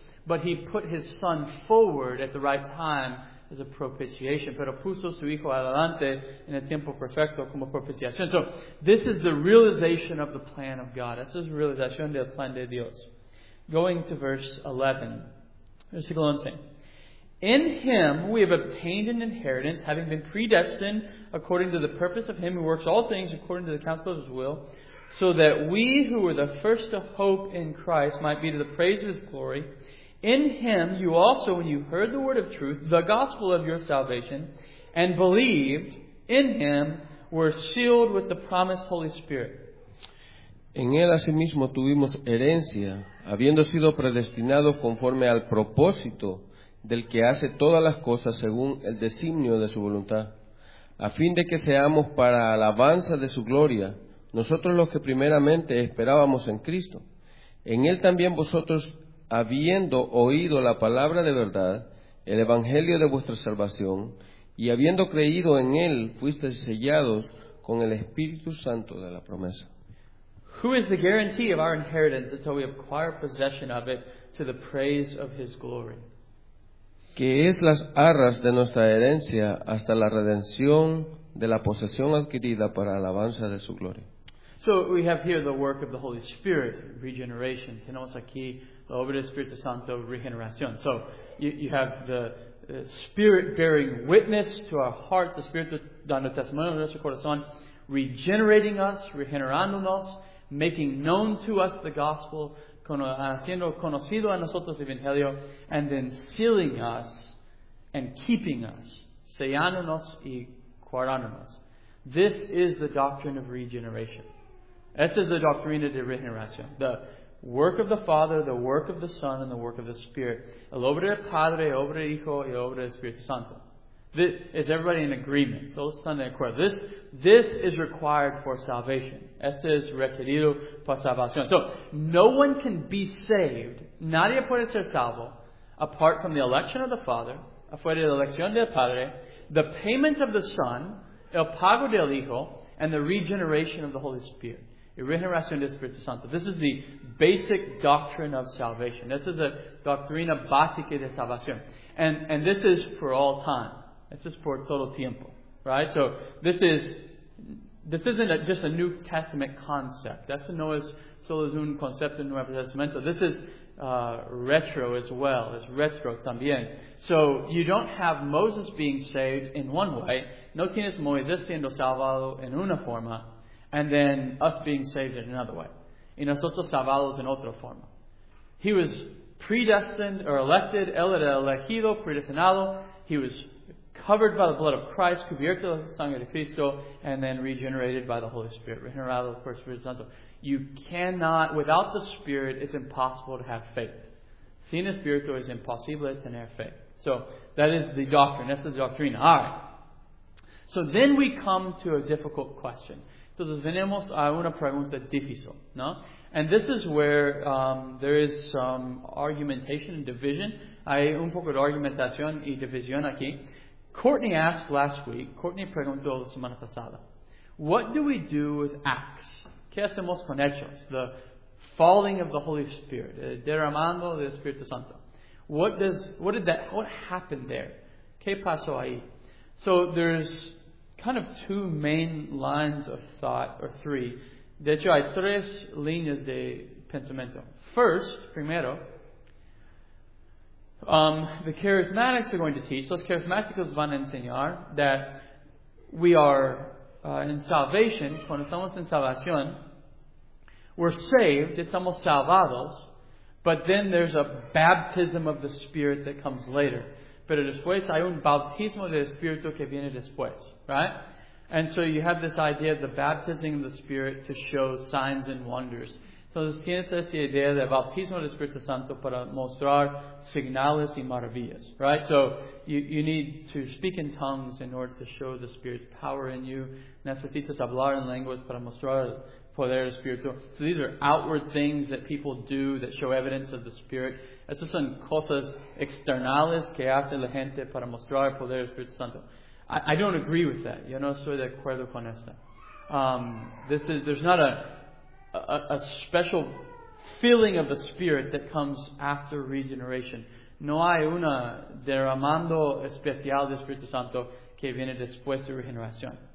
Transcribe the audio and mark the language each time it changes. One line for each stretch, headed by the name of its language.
English: But He put His Son forward at the right time as a propitiation.
Spanish: Pero puso su Hijo adelante en el tiempo perfecto como propiciación.
English: So, this is the realization of the plan of God.
Spanish: Esa es la realización del plan de Dios.
English: Going to verse 11.
Spanish: Versículo 11.
English: In Him we have obtained an inheritance, having been predestined according to the purpose of Him who works all things according to the counsel of His will, so that we who were the first to hope in Christ might be to the praise of His glory. In Him you also, when you heard the word of truth, the gospel of your salvation, and believed in Him, were sealed with the promised Holy Spirit.
Spanish: En Él asimismo tuvimos herencia, habiendo sido predestinados conforme al propósito del que hace todas las cosas según el designio de su voluntad, a fin de que seamos para alabanza de su gloria, nosotros los que primeramente esperábamos en Cristo. En Él también vosotros, habiendo oído la palabra de verdad, el evangelio de vuestra salvación, y habiendo creído en Él, fuisteis sellados con el Espíritu Santo de la promesa.
English: Who is the guarantee of our inheritance until we acquire possession of it to the praise of His glory?
Spanish: que es las arras de nuestra herencia hasta la redención de la posesión adquirida para alabanza de su gloria.
English: So we have here the work of the Holy Spirit, regeneration.
Spanish: Tenemos aquí la obra del Espíritu Santo, regeneración.
English: So you have the Spirit bearing witness to our hearts, the Spirit
Spanish: dando testimonio de nuestro corazón,
English: regenerating us,
Spanish: regenerándonos,
English: making known to us the gospel,
Spanish: haciendo conocido a nosotros el Evangelio,
English: and then sealing us and keeping us,
Spanish: sellándonos y guardándonos.
English: This is the doctrine of regeneration.
Spanish: Esta es la doctrina de regeneración.
English: The work of the Father, the work of the Son, and the work of the Spirit.
Spanish: El obra del Padre, el obra del Hijo, y el obra del Espíritu Santo.
English: This, is everybody in agreement?
Spanish: Todos están de acuerdo.
English: This is required for salvation.
Spanish: Esto es requerido para salvación.
English: So, no one can be saved,
Spanish: nadie puede ser salvo,
English: apart from the election of the Father,
Spanish: afuera de la elección del Padre,
English: the payment of the Son,
Spanish: el pago del Hijo,
English: and the regeneration of the Holy Spirit.
Spanish: Y regeneración del Espíritu Santo.
English: This is the basic doctrine of salvation. This is a
Spanish: doctrina básica de salvación.
English: And this is for all time. This is for
Spanish: todo tiempo.
English: Right? So this isn't just a New Testament concept.
Spanish: Esto no es solo es un concepto nuevo testamento.
English: This is retro as well. It's retro también. So you don't have Moses being saved in one way.
Spanish: No tienes Moisés siendo salvado en una forma.
English: And then us being saved in another way.
Spanish: Y nosotros salvados en otra forma.
English: He was predestined or elected.
Spanish: Él era elegido, predestinado.
English: He was covered by the blood of Christ,
Spanish: cubierto la sangre de Cristo,
English: and then regenerated by the Holy Spirit.
Spanish: Regenerado por el Espíritu Santo.
English: You cannot, without the Spirit, it's impossible to have faith.
Spanish: Sin Espíritu es imposible tener fe.
English: So that is the doctrine. That's the doctrine. All right. So then we come to a difficult question.
Spanish: Entonces venimos a una pregunta difícil, ¿no?
English: And this is where there is some argumentation and division. Hay un poco de argumentación y división aquí. Courtney asked last week,
Spanish: Courtney preguntó la semana pasada,
English: what do we do with Acts?
Spanish: ¿Qué hacemos con Hechos?
English: The falling of the Holy Spirit,
Spanish: derramando del Espíritu Santo.
English: What happened there?
Spanish: ¿Qué pasó ahí?
English: So there's kind of two main lines of thought, or three.
Spanish: De hecho, hay tres líneas de pensamiento.
English: First, primero, the charismatics are going to teach,
Spanish: los charismáticos van a enseñar
English: that we are in salvation,
Spanish: cuando estamos en salvación,
English: we're saved,
Spanish: estamos salvados,
English: but then there's a baptism of the Spirit that comes later.
Spanish: Pero después hay un bautismo del Espíritu que viene después, right?
English: And so you have this idea of the baptizing of the Spirit to show signs and wonders.
Spanish: Entonces tienes esta idea del bautismo del Espíritu Santo para mostrar señales y maravillas, right?
English: So you need to speak in tongues in order to show the Spirit's power in you.
Spanish: Necesitas hablar en lenguas para mostrar el poder del Espíritu.
English: So these are outward things that people do that show evidence of the Spirit.
Spanish: Esas son cosas externales que hace la gente para mostrar el poder del Espíritu Santo.
English: I don't agree with that.
Spanish: Yo no estoy de acuerdo con esta.
English: There's not a special feeling of the Spirit that comes after regeneration.
Spanish: No hay una derramando especial del Espíritu Santo que viene después de regeneración.